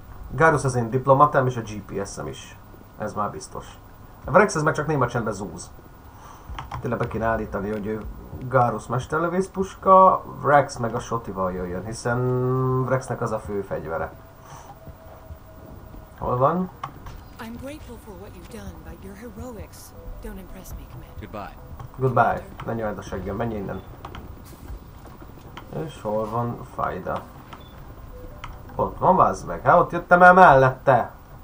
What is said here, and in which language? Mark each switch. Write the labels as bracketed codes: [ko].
[hu] Garus az én diplomatám és a GPS-em is. Ez már biztos. A Vrex ez meg csak néma csendben zúz. Tényleg be kéne állítani, hogy ő Garus mesterlövészpuska, Vrex meg a Shotival jöjjön, hiszen Vrexnek az a fő fegyvere. Hol van? [en] I'm grateful for what you've done, but your heroics don't impress me, Commander. Goodbye. Goodbye. [hu] Ne nyomjad a seggem, menj innen. És hol van Fajda? Ott van, vázd meg. Hát ott jöttem el mellette.